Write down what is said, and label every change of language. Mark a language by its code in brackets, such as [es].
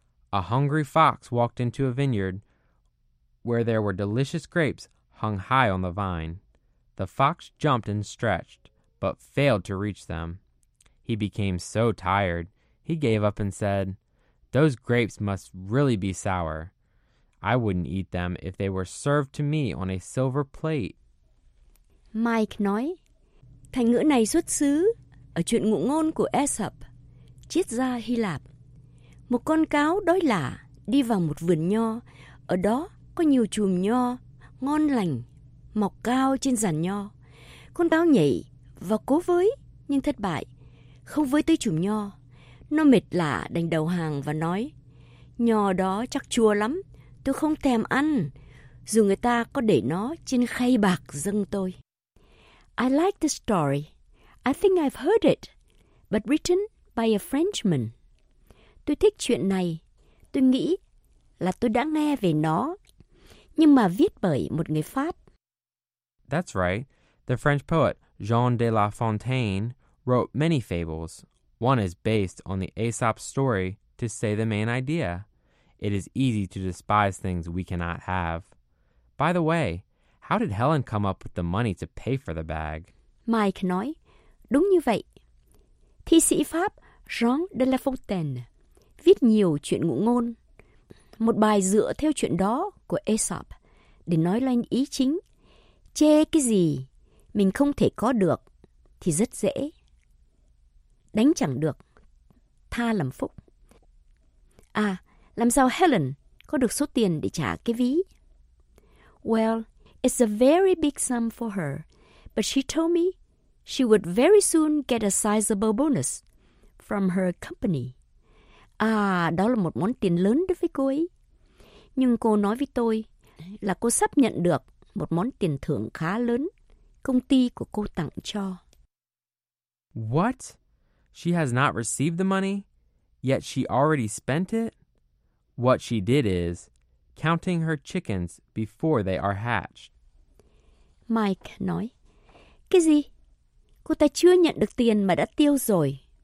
[en] A hungry fox walked into a vineyard where there were delicious grapes hung high on the vine. The fox jumped and stretched, but failed to reach them. He became so tired, he gave up and said, "Those grapes must really be sour. I wouldn't eat them if they were served to me on a silver plate." [vi] Mike nói, thành ngữ này xuất xứ ở chuyện ngụ ngôn của Aesop, triết gia Hy Lạp. Một con cáo đói lạ đi vào một vườn nho, ở đó có nhiều chùm nho ngon lành mọc cao trên giàn nho. Con cáo nhảy và cố với nhưng thất bại, không với tới chùm nho. Nó mệt lạ đành đầu hàng và nói, nho đó chắc chua lắm, tôi không thèm ăn, dù người ta có để nó trên khay bạc dâng tôi. [en] I like the story. I think I've heard it, but written by a Frenchman. [vi] Tôi thích chuyện này. Tôi nghĩ là tôi đã nghe về nó, nhưng mà viết bởi một người Pháp. [en] That's right. The French poet Jean de La Fontaine wrote many fables. One is based on the Aesop's story to say the main idea. It is easy to despise things we cannot have. By the way, how did Helen come up with the money to pay for the bag? [vi] Mike nói, đúng như vậy. Thi sĩ Pháp Jean de La Fontaine viết nhiều chuyện ngụ ngôn, một bài dựa theo chuyện đó của Aesop để nói lên ý chính. Chê cái gì mình không thể có được thì rất dễ. Đánh chẳng được, tha làm phúc. À, làm sao Helen có được số tiền để trả cái ví? [en] Well, it's a very big sum for her, but she told me she would very soon get a sizable bonus from her company. [vi] À, đó là một món tiền lớn đối với cô ấy. Nhưng cô nói với tôi là cô sắp nhận được một món tiền thưởng khá lớn công ty của cô tặng cho. [en] What? She has not received the money, yet she already spent it? What she did is counting her chickens before they are hatched. [vi] Mike nói, cái gì? Cô ta chưa nhận được tiền mà đã tiêu rồi.